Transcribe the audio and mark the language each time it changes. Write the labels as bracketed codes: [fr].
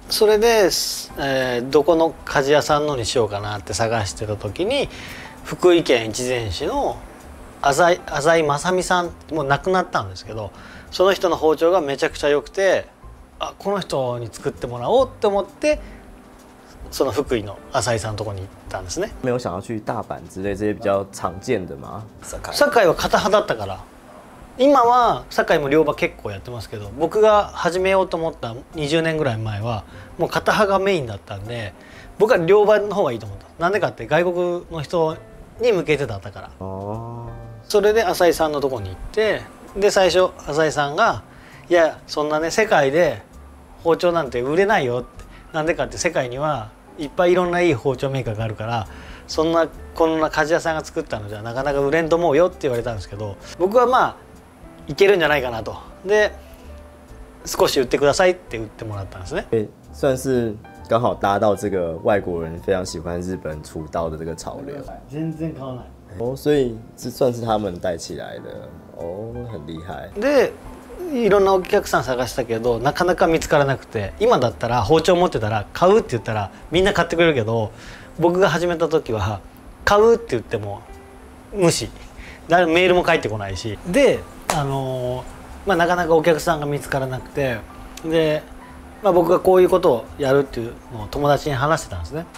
[ja] それで、どこの鍛冶屋さんのにしようかなって探してた時に、福井県越前市の浅井正美さん、もう亡くなったんですけど、その人の包丁がめちゃくちゃ良くて、あこの人に作ってもらおうって思って、その福井の浅井さんのところに行ったんですね。 [zh] 没有想要去大阪之类这些比较常见的吗？ [ja] 堺は片刃だったから。今は堺も両刃結構やってますけど、僕が始めようと思った20年ぐらい前はもう片刃がメインだったんで、僕は両刃の方がいいと思った。なんでかって外国の人に向けてだったから。それで浅井さんのところに行って、で最初浅井さんが、いやそんなね世界で包丁なんて売れないよって、なんでかって世界にはいっぱいいろんないい包丁メーカーがあるから、そんなこんな鍛冶屋さんが作ったのじゃなかなか売れんと思うよって言われたんですけど、僕はまあいけるんじゃないかなと、で少し売ってくださいって売ってもらったんですね。 [zh] え、算是刚好搭到这个外国人非常喜欢日本出道的这个潮流。 [ja] 全然買わない。 [zh] 哦，所以这算是他们带起来的。哦，很厉害。 [ja] で、いろんなお客さん探したけどなかなか見つからなくて、今だったら包丁持ってたら買うって言ったらみんな買ってくれるけど、僕が始めた時は買うって言っても無視、メールも返ってこないし、で、まあ、なかなかお客さんが見つからなくて、で、まあ、僕がこういうことをやるっていうのを友達に話してたんですね。